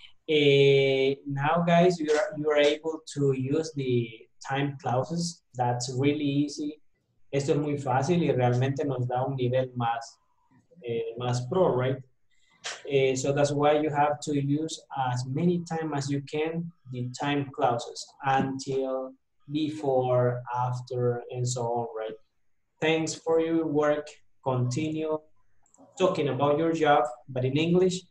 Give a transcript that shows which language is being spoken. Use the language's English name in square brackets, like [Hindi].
[English] Now, guys, you are able to use the time clauses. That's really easy. [Spanish] Esto es muy fácil y realmente nos da un nivel más pro, right? [English] So that's why you have to use as many times as you can the time clauses, until, before, after, and so on, right? Thanks for your work. Continue talking about your job, but in English.